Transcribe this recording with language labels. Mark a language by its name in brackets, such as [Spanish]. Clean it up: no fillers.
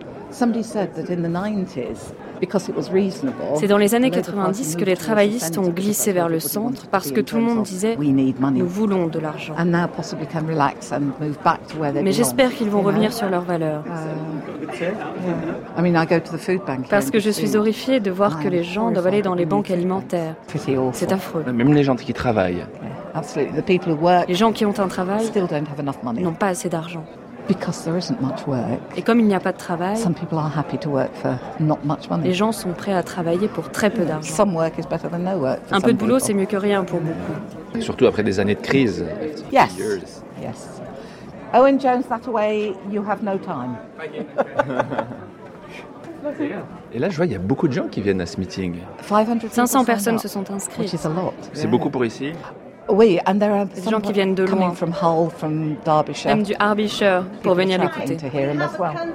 [English] Somebody said that in the 90s, because it was reasonable. [French] C'est dans les années 90 que les travaillistes ont glissé vers le centre parce que tout le monde disait nous voulons de l'argent. [English] And now possibly can relax and move back to where they. [French] Mais j'espère qu'ils vont revenir sur leurs valeurs. [English] I mean, I go to the food bank. [French] Parce que je suis horrifiée de voir que les gens doivent aller dans les banques alimentaires. C'est affreux. Même les gens qui travaillent. [English] Absolutely, the people who work. [French] Les gens qui ont un travail [English] still don't have enough money. [French] N'ont pas assez d'argent. [English] Because there isn't much work. [French] Et comme il n'y a pas de travail, [English] some people are happy to work for not much money. [French] Les gens sont prêts à travailler pour très peu d'argent. [English] Some work is better than no work. [French] Un peu de boulot, c'est mieux que rien pour beaucoup. Surtout après des années de crise. [English] Yes. Yes. Owen Jones, that way, you have no time. [French] Et là, je vois, il y a beaucoup de gens qui viennent à ce meeting. 500 personnes se sont inscrites. [English] Which is a lot. [French] C'est beaucoup pour ici. [English] Oui, and there are [French] des gens qui viennent de loin, [English] from Hull, from Derbyshire. [French] Même du Derbyshire, pour venir l'écouter. [English] To hear him as well.